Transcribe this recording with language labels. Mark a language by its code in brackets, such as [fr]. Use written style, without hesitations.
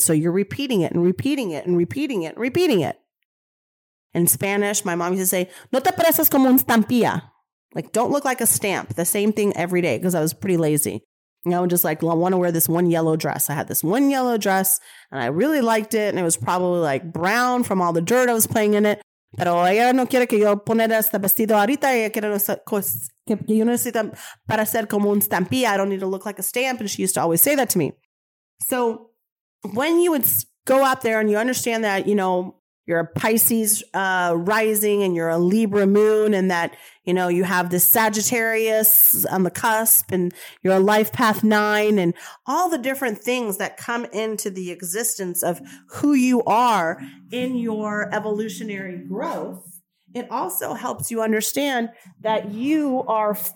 [en] So you're repeating it and repeating it and repeating it and repeating it. In Spanish, my mom used to say, [es] no te pareces como un estampilla. [en] Like, don't look like a stamp. The same thing every day because I was pretty lazy. And I would just like, well, I want to wear this one yellow dress. I had this one yellow dress and I really liked it. And it was probably like brown from all the dirt I was playing in it. [es] Pero ella no quiere que yo poner este vestido ahorita. Ella quiere que yo necesito para ser como un estampilla. [en] I don't need to look like a stamp. And she used to always say that to me. So when you would go out there and you understand that, you know, you're a Pisces rising and you're a Libra moon and that, you know, you have this Sagittarius on the cusp and you're a life path nine and all the different things that come into the existence of who you are in your evolutionary growth, it also helps you understand that you are